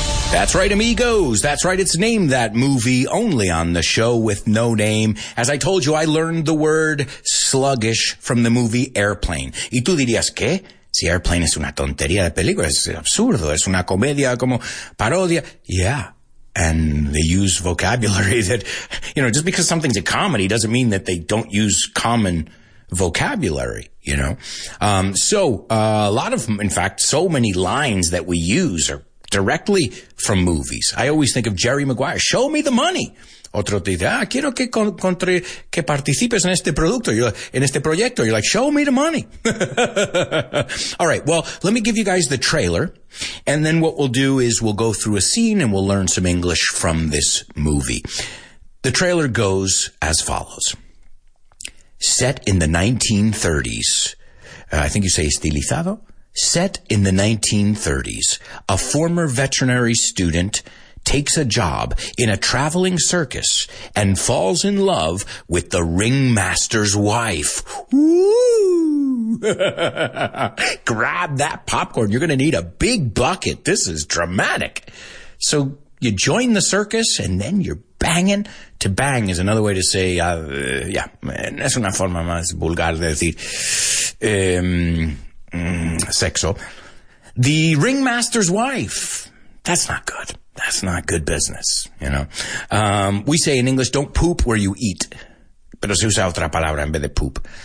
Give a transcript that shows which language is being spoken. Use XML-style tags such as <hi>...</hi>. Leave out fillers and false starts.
<en>That's right, amigos. That's right. It's Name That Movie, only on the show with no name. As I told you, I learned the word sluggish from the movie Airplane.</en> <es>¿Y tú dirías qué? Si Airplane es una tontería de película, es absurdo, es una comedia como parodia.</es> <en>Yeah. And they use vocabulary that, you know, just because something's a comedy doesn't mean that they don't use common vocabulary, you know? So many lines that we use are directly from movies. I always think of Jerry Maguire. Show me the money.</en> <es>Otro te dice, quiero que que participes en este producto, en este proyecto.</es> <en>You're like, show me the money. All right. Well, let me give you guys the trailer. And then what we'll do is we'll go through a scene and we'll learn some English from this movie. The trailer goes as follows. Set in the 1930s. I think you say estilizado. Set in the 1930s, a former veterinary student takes a job in a traveling circus and falls in love with the ringmaster's wife. Woo! Grab that popcorn. You're going to need a big bucket. This is dramatic. So you join the circus and then you're banging. To bang is another way to say,</en> <es>es una forma más vulgar de decir, sexo.</es> <en>The ringmaster's wife. That's not good. That's not good business, you know. We say in English, don't poop where you eat.</en> <es>Pero se usa otra palabra en vez de poop.</es>